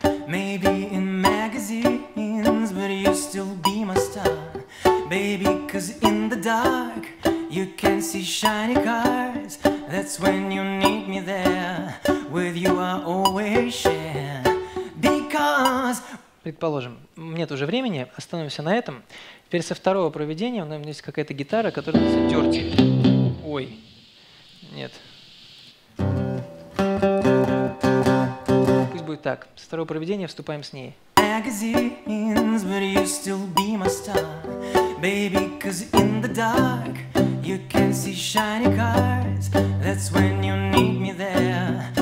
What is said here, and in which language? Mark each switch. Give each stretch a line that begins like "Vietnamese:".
English: Maybe in magazines, but you still be my star, baby. 'Cause in the dark, you can see shiny cars. That's when you need me there. With you, I always share. Because.
Russian: Предположим, нет уже времени. Остановимся на этом. Теперь со второго проведения у меня есть какая-то гитара, которая все дёртит. Ой, нет. Пусть будет так. Со второго проведения вступаем с ней.
English: Magazines, but you still be my star. Baby, 'cause in the dark you can see shiny cars. That's when you need me there.